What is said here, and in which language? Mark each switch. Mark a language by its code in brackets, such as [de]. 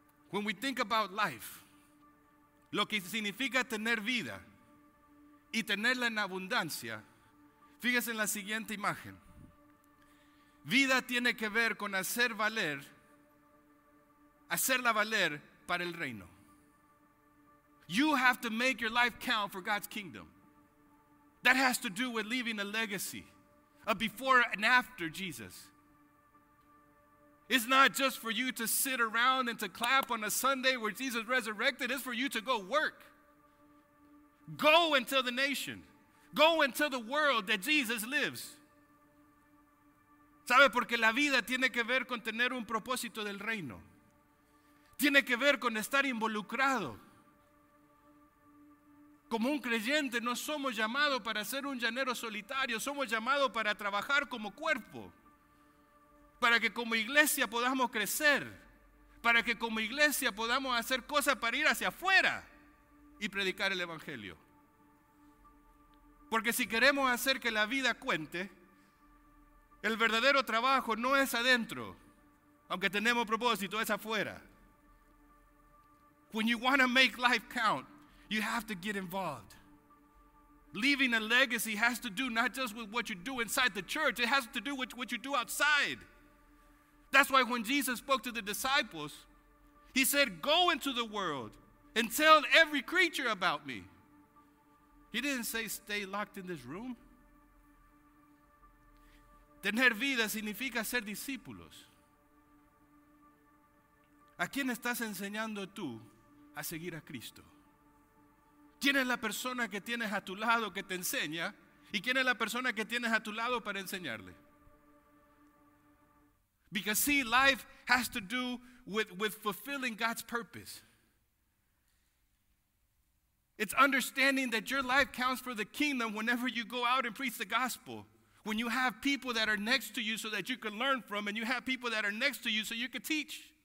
[en] When we think about life, [es] lo que significa tener vida y tenerla en abundancia, fíjense en la siguiente imagen. Vida tiene que ver con hacerla valer para el reino. [en] You have to make your life count for God's kingdom. That has to do with leaving a legacy, a before and after Jesus. It's not just for you to sit around and to clap on a Sunday where Jesus resurrected. It's for you to go work. Go and tell the nation. Go and tell the world that Jesus lives. [es] ¿Sabe? Porque la vida tiene que ver con tener un propósito del reino. Tiene que ver con estar involucrado. Como un creyente, no somos llamados para ser un llanero solitario. Somos llamados para trabajar como cuerpo. Para que como iglesia podamos crecer. para que como iglesia podamos hacer cosas para ir hacia afuera y predicar el evangelio. Porque si queremos hacer que la vida cuente, el verdadero trabajo no es adentro, aunque tenemos propósito, es afuera. [en] When you want to make life count, you have to get involved. Leaving a legacy has to do not just with what you do inside the church, it has to do with what you do outside. That's why when Jesus spoke to the disciples, he said, go into the world and tell every creature about me. He didn't say stay locked in this room. [es] Tener vida significa ser discípulos. ¿A quién estás enseñando tú a seguir a Cristo? ¿Quién es la persona que tienes a tu lado que te enseña? ¿Y quién es la persona que tienes a tu lado para enseñarle? [en] Because see, life has to do with fulfilling God's purpose. It's understanding that your life counts for the kingdom whenever you go out and preach the gospel. When you have people that are next to you so that you can learn from, and you have people that are next to you so you can teach.